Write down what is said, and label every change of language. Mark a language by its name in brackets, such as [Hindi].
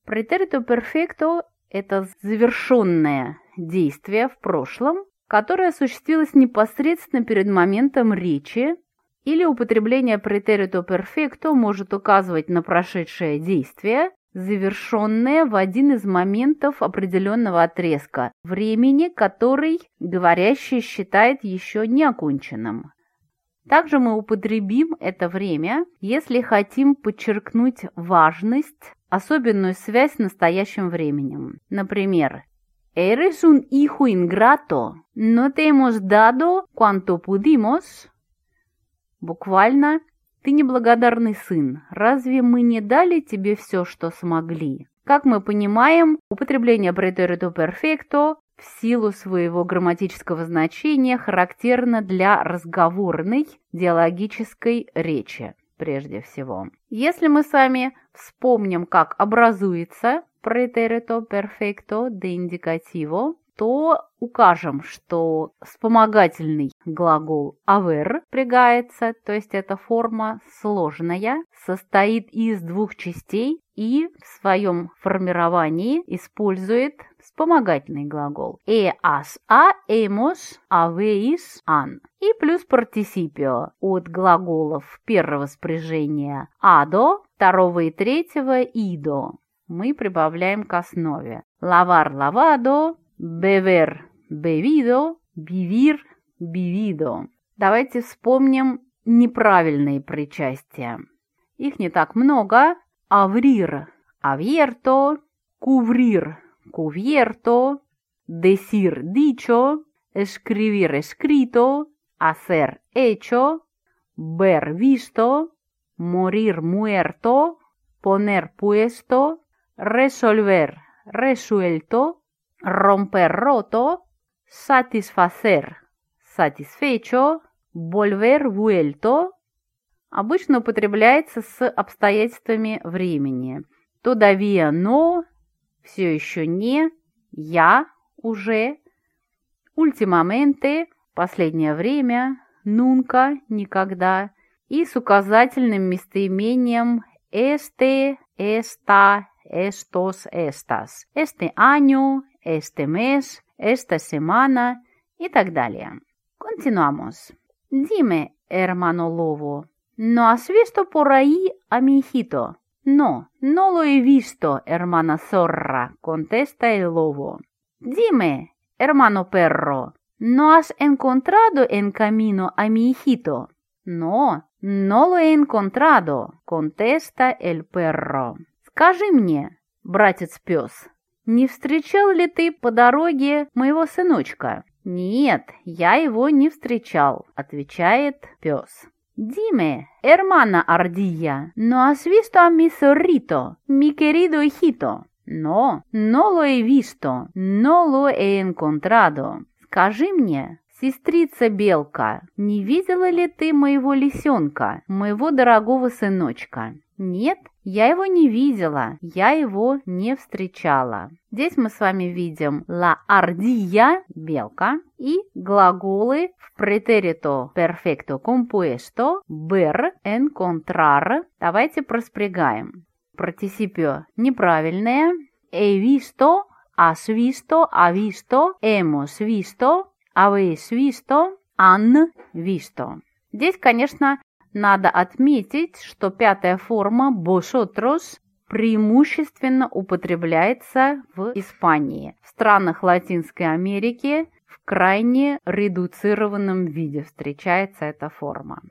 [Russian] Претерито перфекто – это завершенное действие в прошлом, которое осуществилось непосредственно перед моментом речи, или употребление претерито перфекто может указывать на прошедшее действие, завершенное в один из моментов определенного отрезка времени, который говорящий считает еще неоконченным. Также мы употребим это время, если хотим подчеркнуть важность, особенную связь с настоящим временем. [Spanish] Например, «Eres un hijo ingrato, no te hemos dado cuanto pudimos». [Russian] Буквально, «Ты неблагодарный сын, разве мы не дали тебе все, что смогли?» Как мы понимаем, употребление претерито перфекто в силу своего грамматического значения характерно для разговорной диалогической речи прежде всего. Если мы с вами вспомним, как образуется претерито перфекто де индикативо, то укажем, что вспомогательный глагол «авер» прилагается, то есть эта форма сложная, состоит из двух частей и в своем формировании использует вспомогательный глагол [Spanish] «e as a hemos aveis an» [Russian] и плюс participio от глаголов первого спряжения «ado», второго и третьего «ido». Мы прибавляем к основе [Spanish] «lavar lavado», «beber bebido», «vivir vivido». [Russian] Давайте вспомним неправильные причастия. Их не так много. [Spanish] «Abrir abierto», «cubrir cubierto», «decir dicho», «escribir escrito», «hacer hecho», «ver visto», «morir muerto», «poner puesto», «resolver resuelto», «romper roto», «satisfacer» – «satisfecho», «volver vuelto» [Russian] обычно употребляется с обстоятельствами времени. [Spanish] «Todavía no» [Russian] – «все еще не», «я» – «уже», «ultimamente» – «последнее время», «nunca» – «никогда» и с указательным местоимением «este», «esta», «estos», «estas», [Spanish] «este año», «este mes», «esta semana» [Russian] и так далее. [Spanish] Continuamos. «Dime, hermano lobo, ¿no has visto por ahí a mi hijito?» «No, no lo he visto, hermana zorra», contesta el lobo. «Dime, hermano perro, ¿no has encontrado en camino a mi hijito?» «No, no lo he encontrado», contesta el perro. [Russian] «Скажи мне, братец-пёс, не встречал ли ты по дороге моего сыночка?» «Нет, я его не встречал», — отвечает пёс. [Spanish] «Dime, hermana ardilla, ¿no has visto a mi zorrito, mi querido hijito?» «No, no lo he visto, no lo he encontrado». [Russian] «Скажи мне, сестрица-белка, не видела ли ты моего лисёнка, моего дорогого сыночка?» «Нет, я его не видела, я его не встречала». Здесь мы с вами видим «la ardilla» – «белка» и глаголы в претерито перфекто компуэсто «ver» – «encontrar». Давайте проспрягаем. Партисипио неправильное. [Spanish] «He visto», «has visto», «ha visto», «hemos visto», «habéis visto», «han visto». [Russian] Здесь, конечно, надо отметить, что пятая форма «vosotros» преимущественно употребляется в Испании, в странах Латинской Америки в крайне редуцированном виде встречается эта форма.